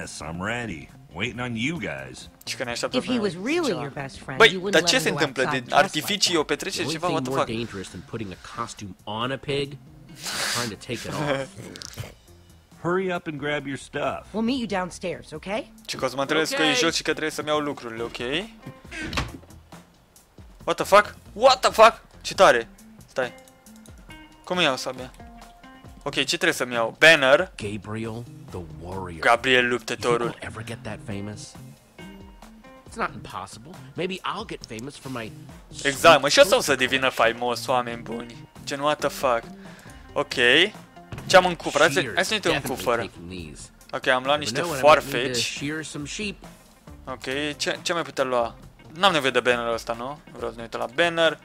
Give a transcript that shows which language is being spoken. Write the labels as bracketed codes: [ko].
[en] Yes, I'm ready. Waiting on you guys. [ro] Ce că ne așteaptă? [en] If he was really your best friend, you wouldn't let him outside. [ro] Dar ce se întâmplă? De artificii o petrece ceva? [en] What the fuck? More dangerous than putting a costume on a pig. Trying to take it off. Hurry up and grab your stuff. We'll meet you downstairs, okay? [ro] Ce cauți, mă întrebesc că e jos și că trebuie să-mi iau lucrurile, ok? [en] What the fuck? What the fuck? [ro] Ce tare! Stai. Cum iau sabia? Ok, ce trebuie să-mi iau? Banner. [en] Gabriel, the warrior. [ro] Gabriel luptătorul. [en] You ever get that famous? It's not impossible. Maybe I'll get famous for my... [ro] Exact, mă, și asta o să devină faimos, oameni buni. Gen, [en] what the fuck? [ro] Ok. Ce am în cufăr? Hai să ne uităm în cufăr. Ok, am luat niște farfeci. Ok, ce mai putem lua? N-am nevoie de bannerul ăsta, nu? Vreau să ne uităm la banner.